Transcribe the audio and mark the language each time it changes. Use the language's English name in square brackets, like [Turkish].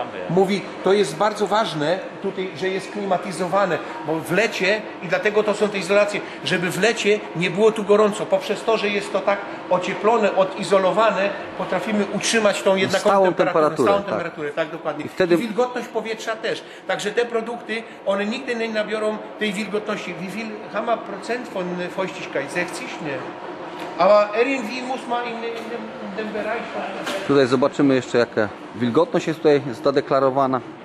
[Polish] Mówi, to jest bardzo ważne tutaj, że jest klimatyzowane, bo w lecie, i dlatego to są te izolacje, żeby w lecie nie było tu gorąco. Poprzez to, że jest to tak ocieplone, odizolowane, potrafimy utrzymać tą jednaką stałą temperaturę. Tak, dokładnie. I wtedy... I wilgotność powietrza też. Także te produkty, one nigdy nie nabiorą tej wilgotności. [German] Wie viel haben wir Prozent von Feuchtigkeit? 60, nie? Ale irgendwie muss man in dem Bereich. [Polish] Tutaj zobaczymy jeszcze, jaka wilgotność jest tutaj zadeklarowana.